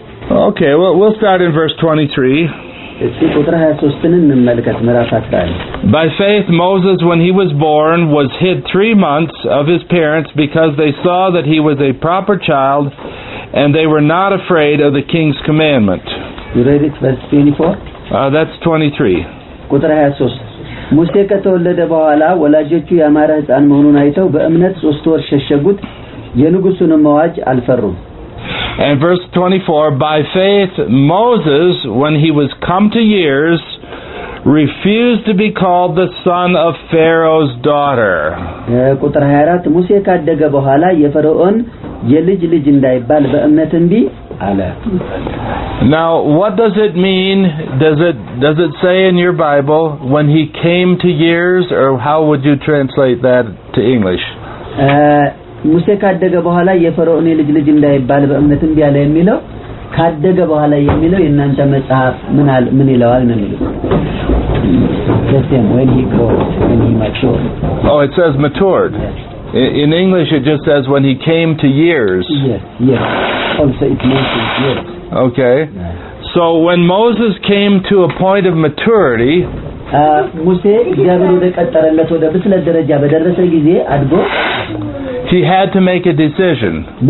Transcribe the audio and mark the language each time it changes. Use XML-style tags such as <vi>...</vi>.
<en>We'll start in verse 23. By faith, Moses, when he was born, was hid 3 months of his parents because they saw that he was a proper child and they were not afraid of the king's commandment. You read it, verse 24? That's 23.</en> <am>Kutra 23. ሙሴ ከተወለደ በኋላ ወላጆቹ ያማረ ሕፃን መሆኑን አይተው በእምነት 3 ወር ሸሸጉት የንጉሱንም አዋጅ አልፈሩም።</am> <en>And verse 24, by faith, Moses, when he was come to years, refused to be called the son of Pharaoh's daughter.</en> <am>ቁጥር 24 ሙሴ ካደገ በኋላ የፈርዖን የልጅ ልጅ እንዳይባል በእምነት እንቢ አለ.</am> <en>Now, what does it mean? Does it say in your Bible when he came to years, or how would you translate that to English?</en> <am>ሙሴ ካደገ በኋላ የፈርዖን ልጅ ልጅ እንዳይባል በእምነት እንቢ አለ የሚለው ካደገ በኋላ የሚለው የእናንተ መጽሐፍ ምን ይለዋል ነው የሚለው?</am> <en>When he grows, when he matured. Oh, it says matured. Yes. In English, it just says when he came to years. Yes, yes. Also, it means years. Okay. Yes. So when Moses came to a point of maturity, he had to make a decision.</en>